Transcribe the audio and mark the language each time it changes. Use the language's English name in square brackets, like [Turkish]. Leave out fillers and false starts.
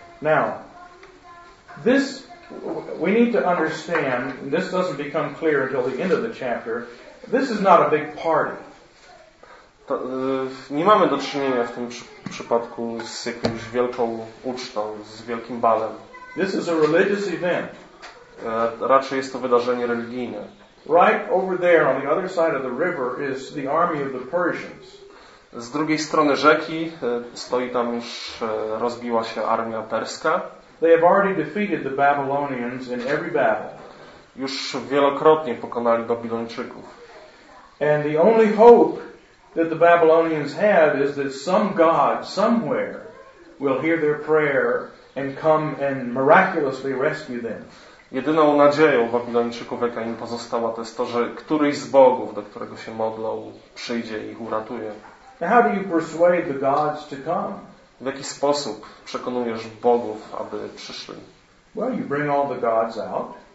[English] Now, this we need to understand, and this doesn't become clear until the end of the chapter, this is not a big party. [Polish] To, nie mamy do czynienia w tym przypadku z jakąś wielką ucztą, z wielkim balem. [English] This is a religious event. [Polish] Raczej jest to wydarzenie religijne. [English] Right over there on the other side of the river is the army of the Persians. [Polish] Z drugiej strony rzeki stoi tam już rozbiła się armia perska. [English] They have already defeated the Babylonians in every battle. [Polish] Już wielokrotnie pokonali Babilończyków. [English] And the only hope that the Babylonians have is that some god somewhere will hear their prayer and come and miraculously rescue them. [Polish] Jedyną nadzieją Babilończyków, jaka im pozostała, to jest to, że któryś z bogów, do którego się modlą, przyjdzie i ich uratuje. [English] Now how do you persuade the gods to come? [Polish] W jaki sposób przekonujesz bogów, aby przyszli? [English] Well, you bring all the gods out.